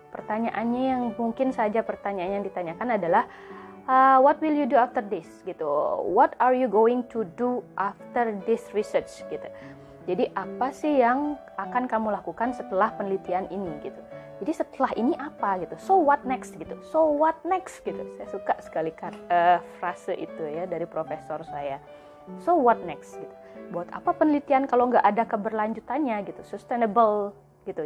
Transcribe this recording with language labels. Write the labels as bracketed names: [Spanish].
[Indonesian] Pertanyaannya yang mungkin saja pertanyaan yang ditanyakan adalah [English] what will you do after this? [Indonesian] Gitu. [English] What are you going to do after this research? [Indonesian] Gitu. Jadi apa sih yang akan kamu lakukan setelah penelitian ini? Gitu. Jadi setelah ini apa? Gitu. [English] So what next? [Indonesian] Gitu. So what next? Gitu. Saya suka sekali frase itu ya dari profesor saya. [English] So what next? [Indonesian] Gitu. Buat apa penelitian kalau nggak ada keberlanjutannya gitu, sustainable gitu.